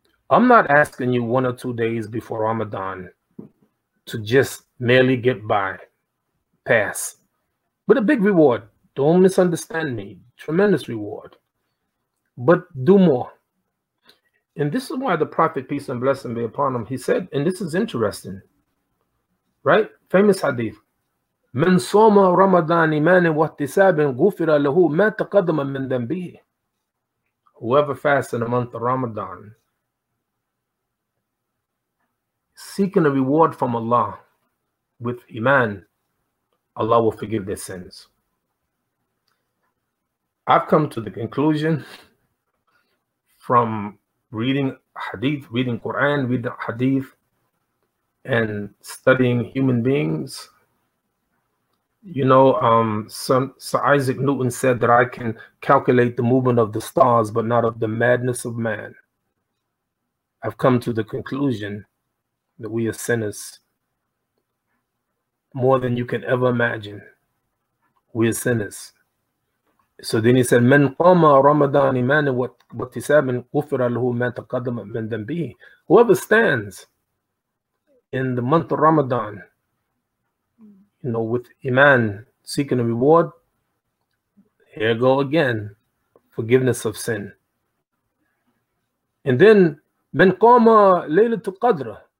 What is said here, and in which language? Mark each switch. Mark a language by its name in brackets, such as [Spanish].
[English] I'm not asking you 1 or 2 days before Ramadan to just merely get by. Pass, but a big reward. Don't misunderstand me. Tremendous reward. But do more. And this is why the Prophet, peace and blessing be upon him, he said, and this is interesting, right? Famous hadith. [Arabic] من صام رمضان إيمانا واحتسابا غفر له ما تقدم من ذنبه. [English] Whoever fasts in the month of Ramadan, seeking a reward from Allah with Iman, Allah will forgive their sins. I've come to the conclusion from reading hadith, reading Quran, reading hadith, and studying human beings. You know, Sir Isaac Newton said that I can calculate the movement of the stars, but not of the madness of man. I've come to the conclusion that we are sinners. More than you can ever imagine. We're sinners. So then he said, [Arabic] من قام رمضان إيمانا واحتسابا غفر له ما تقدم من ذنبه. [English] Whoever stands in the month of Ramadan, you know, with Iman, seeking a reward, here go again, forgiveness of sin. And then, [Arabic] من قام ليلة القدر.